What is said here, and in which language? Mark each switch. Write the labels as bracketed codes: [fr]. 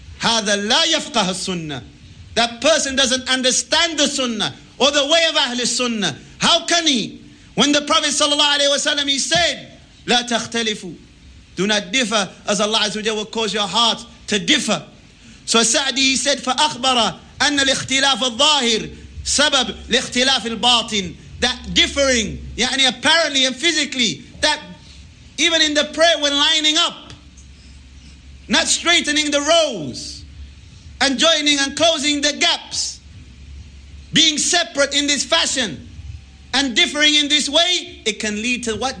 [ar] هذا لا يفقه السنة. [en] That person doesn't understand the sunnah or the way of Ahl Sunnah. How can he? When the Prophet sallallahu alaihi wasallam, he said, [ar] لا تختلفوا. [en] Do not differ, as Allah Azza wa Jalla will cause your heart to differ. So Sa'di, he said, [ar] فَأَخْبَرَ أَنَّ الْإِخْتِلَافَ الظَّاهِرِ سَبَبْ لِإِخْتِلَافِ الْبَاطِنِ. [en] That differing, [ar] يعني [en] apparently and physically, that even in the prayer when lining up, not straightening the rows, and joining and closing the gaps, being separate in this fashion, and differing in this way, it can lead to what?